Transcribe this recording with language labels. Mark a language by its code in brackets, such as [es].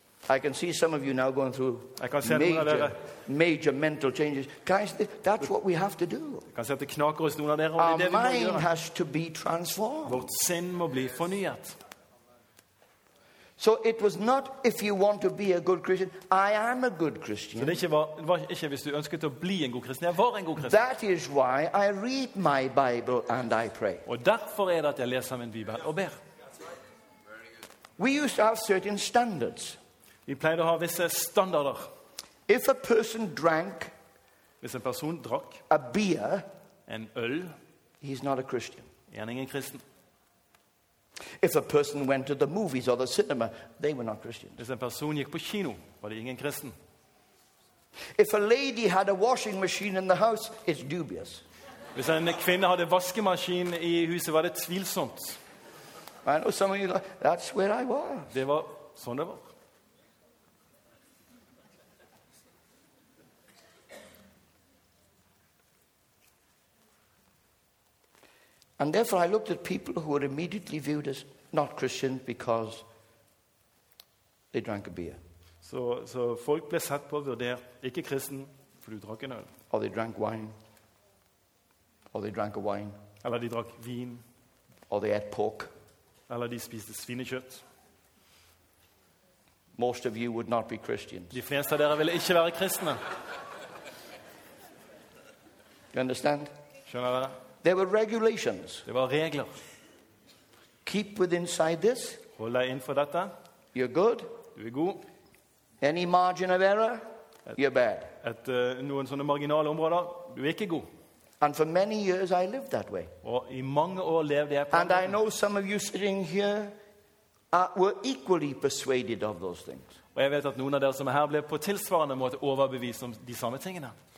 [en] I can see some of you now going through major mental changes. Guys, that's what we have to do. Our mind has to be transformed. [no] Vårt sinn må bli fornyet. [en] So it was not if you want to be a good Christian. I am a good Christian. [no] Det var ikke hvis du ønsket å bli en god kristen. Jeg var en god kristen. [en] That is why I read my Bible and I pray. [no] Og derfor det at jeg leser min Bibel og ber. [en] We used to have certain standards. [no] Vi pleide å ha visse standarder. [en] If a person drank, [no] hvis en person drakk, [en] a beer, [no] en øl, [en] he's not a Christian. [no] Er han ingen kristen. [en] If a person went to the movies or the cinema, they were not Christians. [no] Hvis en person gikk på kino, var det ingen kristen. [en] If a lady had a washing machine in the house, it's dubious. [no] Hvis en kvinne hadde vaskemaskin i huset, var det tvilsomt. [en] I know some of you, that's where I was. [no] Det var sånn det var. [en] And therefore I looked at people who were immediately viewed as not Christian because they drank a beer. [no] So folk ble sett på og vurdert ikke kristen fordi de drakk en øl. [en] Or they drank wine. Or they drank a wine. [no] Eller de drakk vin. [en] Or they ate pork. [no] Eller de spiste svinekjøtt. [en] Most of you would not be Christians. [no] De fleste av dere ville ikke være kristne. [en] You understand? [no] Skjønner dere? [en] There were regulations. [no] Det var regler. [en] Keep within side this. [no] Hold deg innenfor dette. [en] You're good. [no] Du god. [en] Any margin of error, you're bad. [no] Noen sånne marginale områder, du ikke god. [en] And for many years I lived that way. [no] Og i mange år levde jeg på. [en] And I know some of you sitting here were equally persuaded of those things. [no] Og jeg vet at noen av dere som her ble på tilsvarende måte overbevist om de samme tingene.